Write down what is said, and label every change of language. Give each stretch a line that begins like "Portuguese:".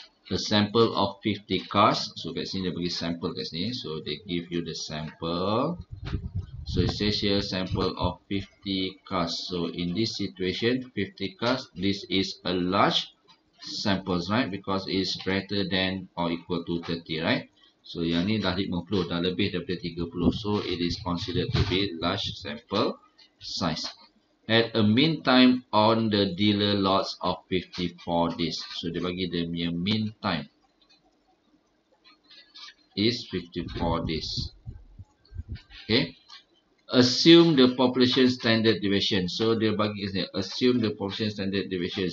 English: A sample of 50 cars.
Malay: So kat sini dia bagi sample kat sini.
English: So they give you the sample. So it says here sample of 50 cars. So in this situation, 50 cars, this is a large sample, right? Because it's greater than or equal to 30, right?
Malay: So yang ni dah 50, dah lebih daripada 30.
English: So it is considered to be large sample size. At a mean time on the dealer lots of 54 days. So
Malay: dia bagi dia punya
English: mean time is 54 days. Okay. Assume the population standard deviation.
Malay: So dia bagi kat sini,
English: assume the population standard deviation.